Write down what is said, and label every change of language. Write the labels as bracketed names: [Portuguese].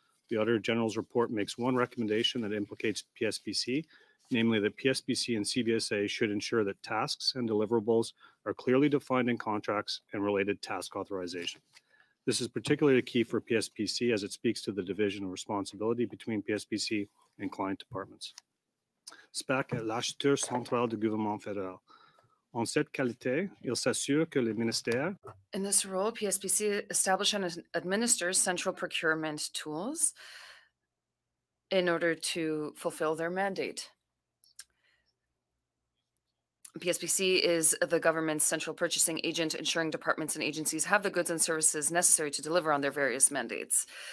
[English] The Auditor General's report makes one recommendation that implicates PSPC, namely that PSPC and CBSA should ensure that tasks and deliverables are clearly defined in contracts and related task authorization. This is particularly key for PSPC as it speaks to the division of responsibility between PSPC and client departments. [French] SPAC est l'acheteur central du gouvernement fédéral. En cette qualité, il s'assure que le ministère... [English] In this role, PSPC establishes and administers central procurement tools in order to fulfill their mandate. PSPC is the government's central purchasing agent, ensuring departments and agencies have the goods and services necessary to deliver on their various mandates.